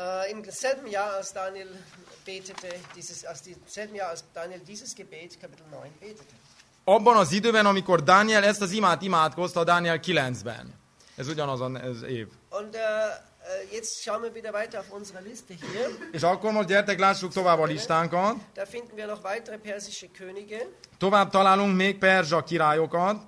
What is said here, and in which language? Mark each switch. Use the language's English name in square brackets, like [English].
[German] Im selben Jahr, als Daniel betete, Gebet, Kapitel 9 betete. [Hungarian] Abban az időben, amikor Daniel ezt az imát imádkozta, Daniel 9-ben. Ez ugyanaz az év. [German] Und jetzt schauen wir wieder weiter auf unsere Liste hier. [Hungarian] És akkor most gyertek, lássuk tovább a listánkat. [German] Da finden wir noch weitere persische Könige. [Hungarian] Tovább találunk még perzsa királyokat.